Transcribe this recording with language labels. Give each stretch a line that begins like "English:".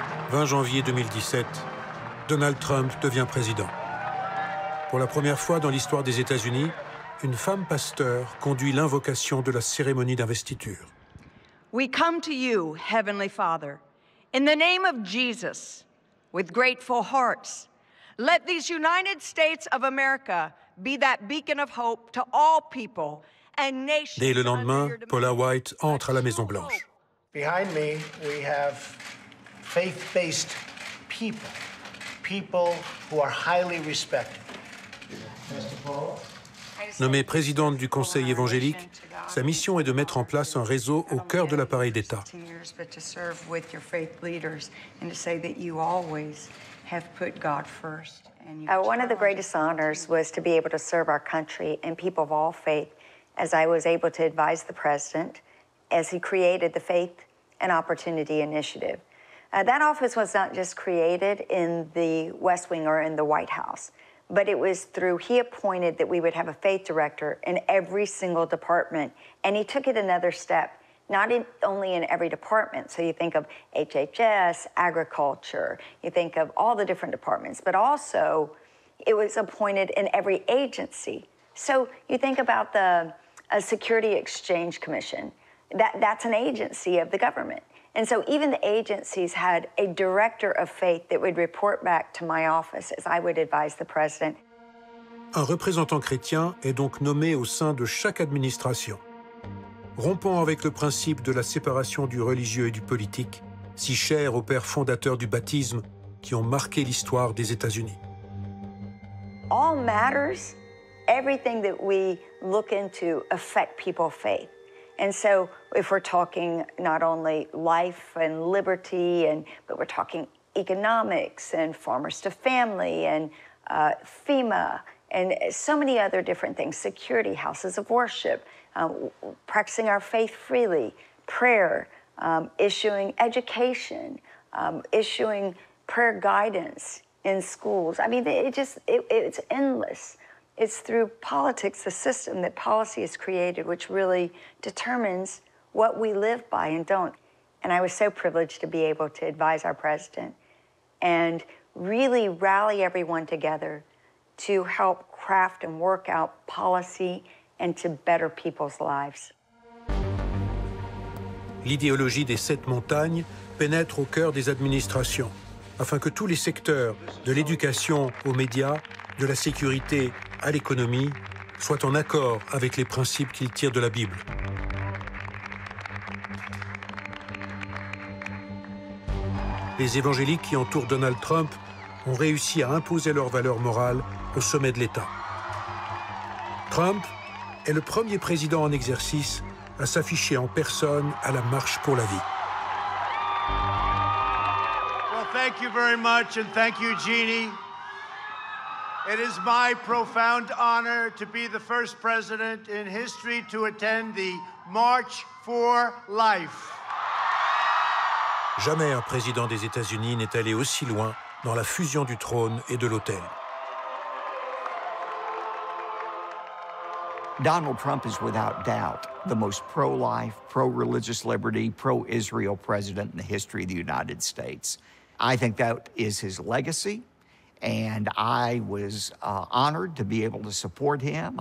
French: Le 20 janvier 2017, Donald Trump devient président. Pour la première fois dans l'histoire des États-Unis, une femme pasteur conduit l'invocation de la cérémonie d'investiture.
English: We come to you, Heavenly Father, in the name of Jesus, with grateful hearts. Let these United States of America be that beacon of hope to all people and nations.
French: Dès le lendemain, Paula White entre à la Maison-Blanche.
English: Behind me, we have faith-based people, people who are highly respected.
French: Nommée présidente du Conseil évangélique, sa mission est de mettre en place un réseau au cœur de l'appareil d'État.
English: One of the greatest honors was to be able to serve our country and people of all faith, as I was able to advise the president as he created the Faith and Opportunity Initiative. That office was not just created in the West Wing or in the White House, but it was through he appointed that we would have a faith director in every single department, and he took it another step, not in, only in every department. So you think of HHS, agriculture, you think of all the different departments, but also it was appointed in every agency. So you think about the Security Exchange Commission, that's an agency of the government. And so even the agencies had a director of faith that would report back to my office as I would advise the president.
French: Un représentant chrétien est donc nommé au sein de chaque administration. Rompant avec le principe de la séparation du religieux et du politique, si cher aux pères fondateurs du baptisme qui ont marqué l'histoire des États-Unis.
English: All matters, everything that we look into affect people's faith. And so if we're talking not only life and liberty, but we're talking economics and farmers to family and FEMA and so many other different things, security, houses of worship, practicing our faith freely, prayer, issuing education, issuing prayer guidance in schools. I mean, it's endless. It's through politics, the system that policy is created, which really determines what we live by and don't. And I was so privileged to be able to advise our president and really rally everyone together to help craft and work out policy and to better people's lives.
French: L'idéologie des sept montagnes pénètre au cœur des administrations, afin que tous les secteurs, de l'éducation aux médias, de la sécurité à l'économie, soit en accord avec les principes qu'il tire de la Bible. Les évangéliques qui entourent Donald Trump ont réussi à imposer leurs valeurs morales au sommet de l'État. Trump est le premier président en exercice à s'afficher en personne à la marche pour la vie.
English: Well, thank you very much, and thank you, Jeannie. It is my profound honor to be the first president in history to attend the March for Life.
French: Jamais un président des États-Unis n'est allé aussi loin dans la fusion du trône et de l'autel.
English: Donald Trump is without doubt the most pro-life, pro-religious liberty, pro-Israel president in the history of the United States. I think that is his legacy. And I was honored to be able to support him.